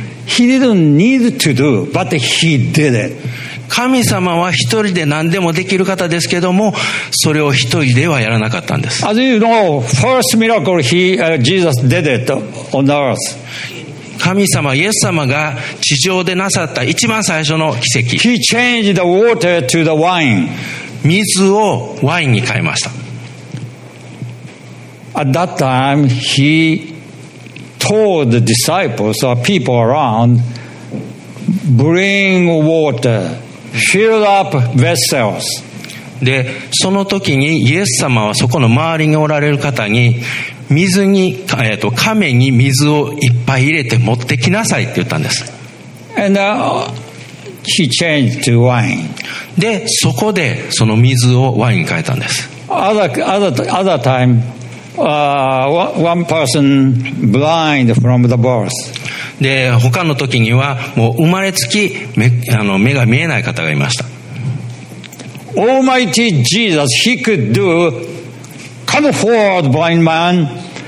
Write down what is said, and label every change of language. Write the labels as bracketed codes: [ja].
[en] He didn't need to do, but he did it. [ja] 神様は一人で何でもできる方ですけども、それを一人ではやらなかったんです。 [en] As you know, first miracle he, Jesus did it on earth. [ja] 神様、イエス様が地上でなさった一番最初の奇跡。 [en] He changed the water to the wine. [ja] 水をワインに変えました。 [en] At that time, he told the disciples or people around, bring water, fill up vessels. [ja] で、その時にイエス様はそこの周りにおられる方に、水に、亀に水をいっぱい入れて持ってきなさいって言ったんです。 [en] And, he changed to wine. [ja] で、そこでその水をワインに変えたんです。 [en] Other time, one person blind from the birth. [ja] で、他の時にはもう生まれつき目が見えない方がいました。 [en] Almighty Jesus, he could do come forward blind man.